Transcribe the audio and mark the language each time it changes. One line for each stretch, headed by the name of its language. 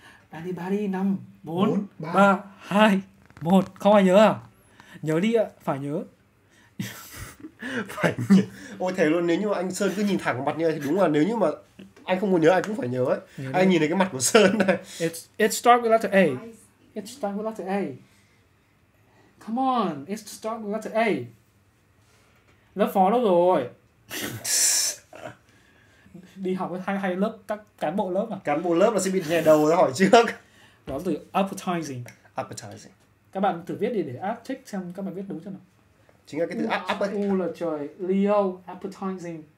English: Anybody 5, 4, 3, 2, 1.
Vietnamese: Không ai nhớ à? Nhớ đi ạ, phải nhớ. Phải nhớ. Ôi thế luôn, nếu như anh Sơn cứ nhìn thẳng mặt như thì đúng là nếu như mà anh không muốn nhớ, anh cũng phải nhớ ấy. Nhớ anh đi. Nhìn thấy cái mặt của Sơn này.
English: It starts with letter A. Come on, it's to start with letter A.
Vietnamese: Lớp phó lớp rồi. Đi học với hay lớp, các cán bộ lớp à? Cán bộ lớp là sẽ bị nhè đầu, hỏi trước. Đó từ appetizing.
English: Appetizing.
Vietnamese: Các bạn thử viết đi để uptick xem các bạn viết đúng chưa nào. Chính là cái từ appetizing. Là trời, Leo, appetizing.